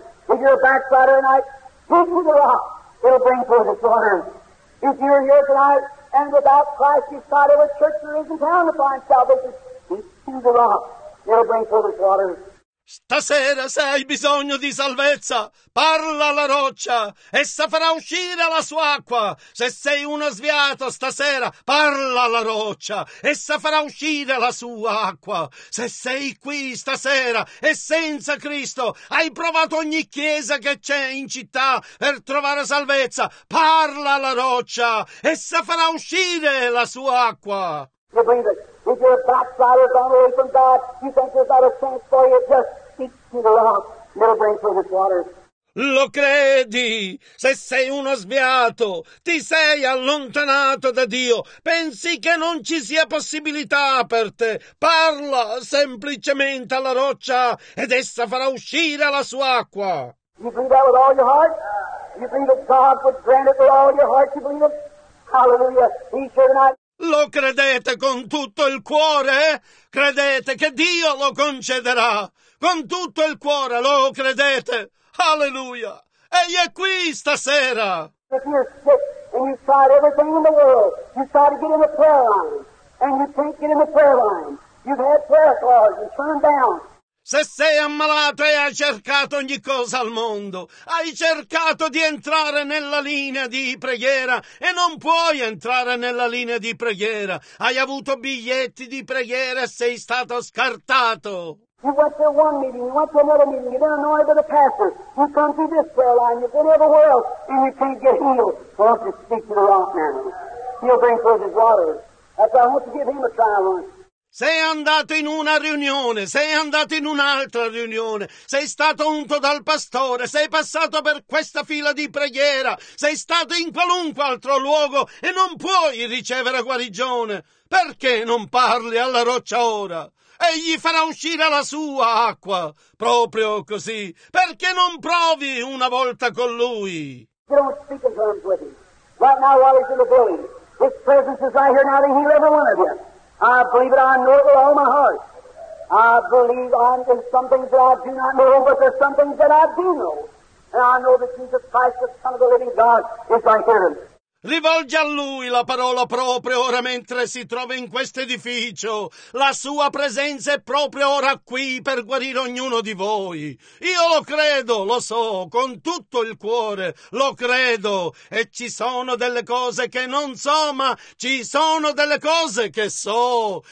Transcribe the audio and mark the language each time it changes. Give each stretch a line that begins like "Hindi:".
English: If you're a backslider tonight, speak to the rock. It'll bring forth its water. If you're here tonight and without Christ, you've got every church there is in town to find salvation. Speak to the rock. It'll bring forth its water.
Italian: Stasera, se hai bisogno di salvezza, parla alla roccia, essa farà uscire la sua acqua. Se sei uno sviato stasera, parla alla roccia, essa farà uscire la sua acqua. Se sei qui stasera e senza Cristo, hai provato ogni chiesa che c'è in città per trovare salvezza, parla alla roccia, essa farà uscire la sua acqua.
English: If you're a backslider gone away from God, you think there's not a chance for you, just speak to the rock, and it'll bring forth its waters.
Italian: Lo credi? Se sei uno sviato, ti sei allontanato da Dio, pensi che non ci sia possibilità per te, parla semplicemente alla roccia ed essa farà uscire la sua acqua.
English: You believe that with all your heart? You believe that God would grant it with all your heart? You believe it? Hallelujah. He's here tonight.
Italian: Lo credete con tutto il cuore? Credete che Dio lo concederà? Con tutto il cuore lo credete? Alleluia! Egli è qui stasera!
English: If you're sick and you've tried everything in the world, you try to get in the prayer line, and you can't get in the prayer line, you've had prayer cards, you turn down.
Italian: Se sei ammalato e hai cercato ogni cosa al mondo, hai cercato di entrare nella linea di preghiera e non puoi entrare nella linea di preghiera. Hai avuto biglietti di preghiera e sei stato scartato.
English: You went to one meeting, you went to another meeting, you've been annoyed by the pastor. You come through this prayer line, you've been everywhere else, and you can't get healed. So I want you to speak to the rock now. He'll bring forth his water. That's why I want to give him a trial run.
Italian: Sei andato in una riunione, sei andato in un'altra riunione, sei stato unto dal pastore, sei passato per questa fila di preghiera, sei stato in qualunque altro luogo e non puoi ricevere guarigione. Perché non parli alla roccia ora? Egli farà uscire la sua acqua, proprio così. Perché non provi una volta con lui?
English: Right now while he's in the building, his presence is right here now to heal every one of you. I believe it, I know it with all my heart. I believe there's some things that I do not know, but there's some things that I do know. And I know that Jesus Christ, the Son of the living God, is right here.
Italian: Rivolge a lui la parola proprio ora mentre si trova in questo edificio. La sua presenza è proprio ora qui per guarire ognuno di voi. Io lo credo, lo so, con tutto il cuore, lo credo. E ci sono delle cose che non so, ma ci sono delle cose che so.